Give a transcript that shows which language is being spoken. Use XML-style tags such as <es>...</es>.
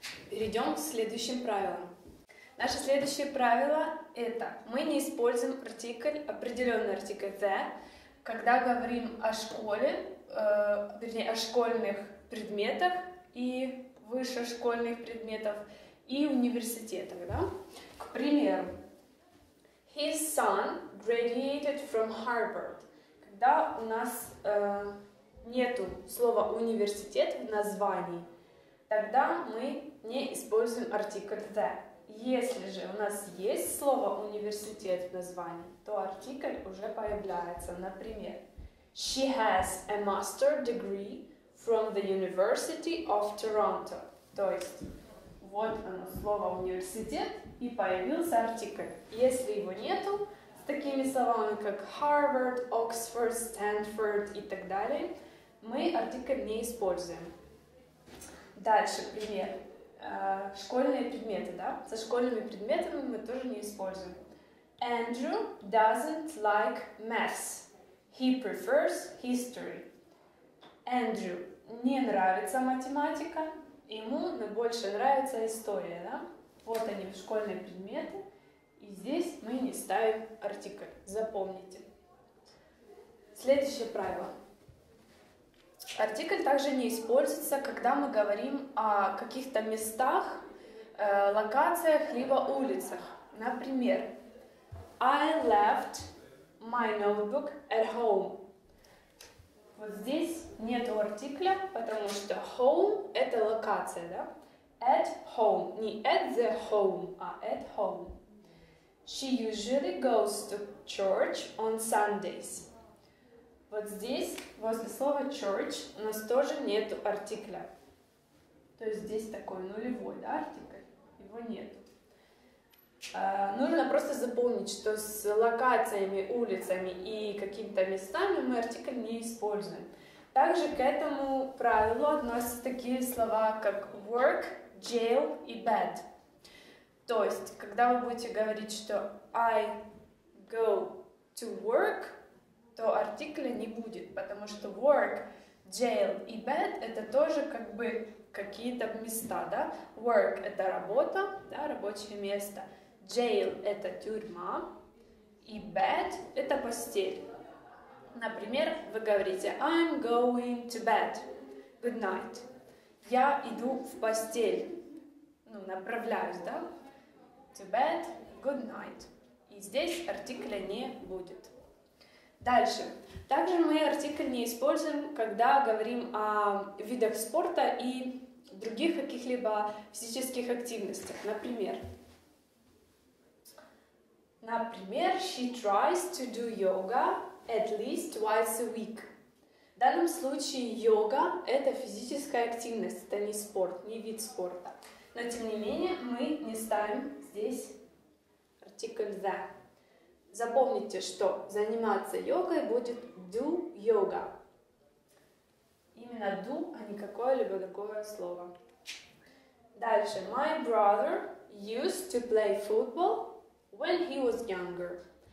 <ru>Перейдем к следующим правилам. Наше следующее правило это мы не используем артикль, определенный артикль the, когда говорим о школе, вернее, о школьных предметах и вышешкольных предметов и университетах, да? К примеру,</ru> <en>his son graduated from Harvard.</en> <ru>Когда у нас нету слова университет в названии, тогда мы не используем артикль the. Если же у нас есть слово «университет» в названии, то артикль уже появляется. Например,</ru> <en>she has a master degree from the University of Toronto.</en> <ru>То есть, вот оно, слово «университет», и появился артикль. Если его нету, с такими словами, как Harvard, Oxford, Stanford и так далее, мы артикль не используем. Дальше пример. Школьные предметы, да? Со школьными предметами мы тоже не используем.</ru> <en>Andrew doesn't like math. He prefers history.</en> <ru>Andrew не нравится математика, ему больше нравится история, да? Вот они, школьные предметы. И здесь мы не ставим артикль. Запомните. Следующее правило. Артикль также не используется, когда мы говорим о каких-то местах, локациях, либо улицах. Например,</ru> <en>I left my notebook at home.</en> <ru>Вот здесь нету артикля, потому что home – это локация, да?</ru> <en>At home.</en> <ru>Не</ru> <en>at the home,</en> <ru>а</ru> <en>at home. She usually goes to church on Sundays.</en> <ru>Вот здесь, возле слова church, у нас тоже нету артикля. То есть здесь такой нулевой, да, артикль? Его нет. Нужно просто запомнить, что с локациями, улицами и какими-то местами мы артикль не используем. Также к этому правилу относятся такие слова, как work, jail и bed. То есть, когда вы будете говорить, что</ru> <en>I go to work,</en> <ru>то артикля не будет, потому что work, jail и bed — это тоже как бы какие-то места, да? Work — это работа, да, рабочее место. Jail — это тюрьма, и bed — это постель. Например, вы говорите</ru> <en>I'm going to bed. Good night.</en> <ru>Я иду в постель. Ну, направляюсь, да?</ru> <en>To bed, good night.</en> <ru>И здесь артикля не будет. Дальше. Также мы артикль не используем, когда говорим о видах спорта и других каких-либо физических активностях. Например,</ru> <en>she tries to do yoga at least twice a week.</en> <ru>В данном случае йога – это физическая активность, это не спорт, не вид спорта. Но тем не менее мы не ставим здесь артикль the. Запомните, что заниматься йогой будет do yoga. Именно do, а не какое-либо такое слово. Дальше.</ru> <en>My brother used to play football when he was younger.</en>